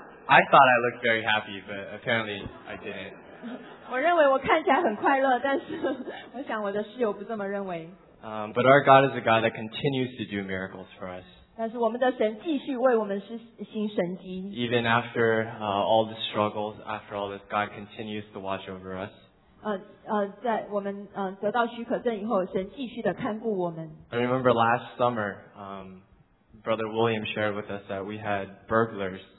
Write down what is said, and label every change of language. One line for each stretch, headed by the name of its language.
English: I thought I looked very happy, but apparently I didn't.
Chinese: 我认为我看起来很快乐，但是我想我的室友不这么认为。
English: But our God is a God that continues to do miracles for us.
Chinese: 但是我们的神继续为我们施行神迹。
English: Even after all the struggles, after all this, God continues to watch over us.
Chinese: 在我们得到许可证以后，神继续的看顾我们。
English: I remember last summer, Brother William shared with us that we had burglars.